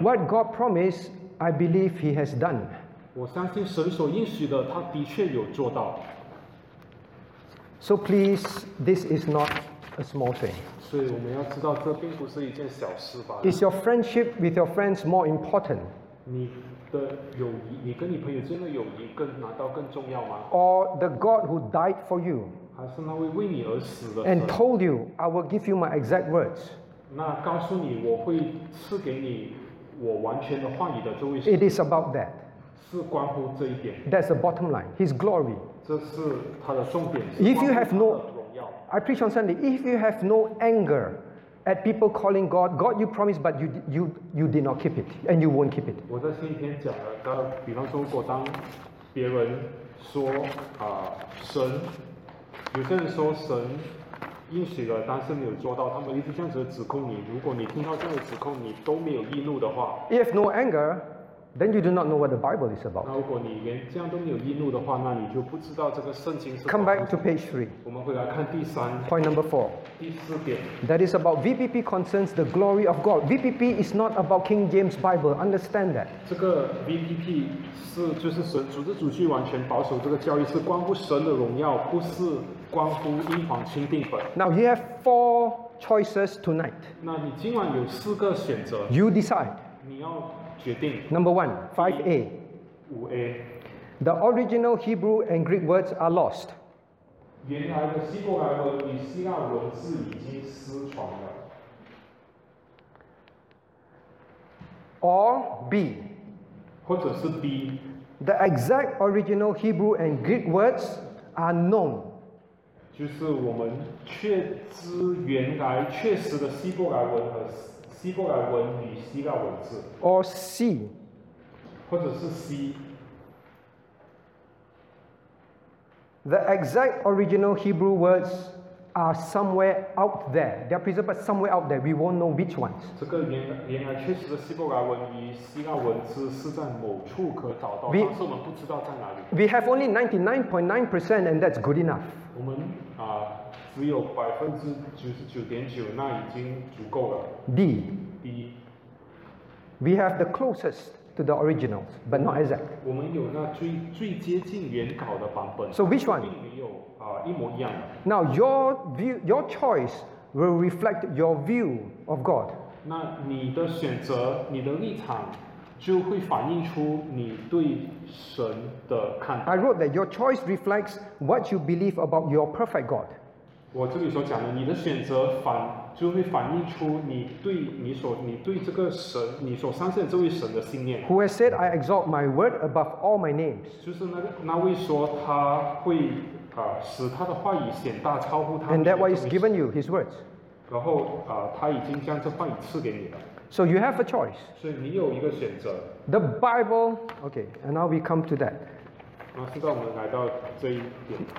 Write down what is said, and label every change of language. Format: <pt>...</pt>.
<en>What God promised, I believe He has done.</en> <zh>我相信神所应许的，他的确有做到。</zh> <en>So please, this is not a small thing.</en> <zh>所以我们要知道，这并不是一件小事吧</zh> <en>？Is your friendship with your friends more important?</en> <zh>你。的友谊，你跟你朋友之间的友谊更难道更重要吗</zh> <en>？Or the God who died for you，</en> <zh>还是那位为你而死的</zh> <en>？And told you， I will give you my exact words。</en> <zh>那告诉你，我会赐给你我完全的话语的这位。</zh> <en>It is about that。</en> <zh>是关乎这一点。</zh> <en>That's the bottom line， His glory。</en> <zh>这是他的重点。</zh> <en>If you have no， I preach on Sunday。 If you have no anger。 At people calling God, God, you promised, but you did not keep it, and you won't keep it.</en> <zh>我在星期天讲了，当比方说，如果当别人说神，有些人说神应许了，但是没有做到，他们一直这样子指控你。如果你听到这样的指控，你都没有易怒的话</zh> <en>，If no anger, then you do not know what the Bible is about.</en> <zh>那如果你连这样都没有易怒的话，那你就不知道这个圣经是。</zh> <en>Come back to page three.</en> <zh>我们回来看第三。</zh> <en>Point number four.</en> <zh>第四点,</zh> <en>that is about VPP concerns the glory of God. VPP is not about King James Bible. Understand that.</en> <zh>这个 VPP 是就是神主日主句完全保守这个教义是关乎神的荣耀，不是关乎英皇钦定本。</zh> <en>Now you have four choices tonight.</en> <zh>那你今晚有四个选择。</zh> <en>You decide.</en> <zh>你要决定。</zh> <en>Number one, 5A. 5A. The original Hebrew and Greek words are lost.</en> <zh>原来的希伯来文与希腊文字已经失传了。</zh> <en>Or B.</en> <zh>或者是 B.</zh> <en>The exact original Hebrew and Greek words are known.</en> <zh>就是我们确知原来确实的希伯来文和希伯来文与希腊文字。</zh> <en>Or C.</en> <zh>或者是 C.</zh> <en>The exact original Hebrew words are somewhere out there. They are preserved, but somewhere out there, we won't know which ones.</en> <zh>这个原来确实的希伯来文与希腊文字是在某处可找到，但是我们不知道在哪里。</zh> <en>We have only 99.9%, and that's good enough.</en> <zh>我们啊，只有99.9%，那已经足够了。</zh> <en>D. D. We have the closest. To the originals, but not exact.</en> <zh>我们有那最接近原稿的版本。</zh> <en>So which one?</en> <zh>并没有啊，一模一样的。</zh> <en>Now your view, your choice will reflect your view of God.</en> <zh>那你的选择，你的立场，就会反映出你对神的看法。</zh> <en>I wrote that your choice reflects what you believe about your perfect God.</en> <zh>我这里所讲的，你的选择就会反映出你对这个神，你所相信的这位神的信念。</zh> <en>Who has said I exalt my word above all my names？</en> <zh>就是那位说他会使他的话语显大，超乎他。</zh> <en>And that what is given you, his words。</en> <zh>然后他已经将这话语赐给你了。</zh> <en>So you have a choice。</en> <zh>所以你有一个选择。</zh> <en>The Bible, okay, and now we come to that。</en> <zh>那现在我们来到这一点。</zh>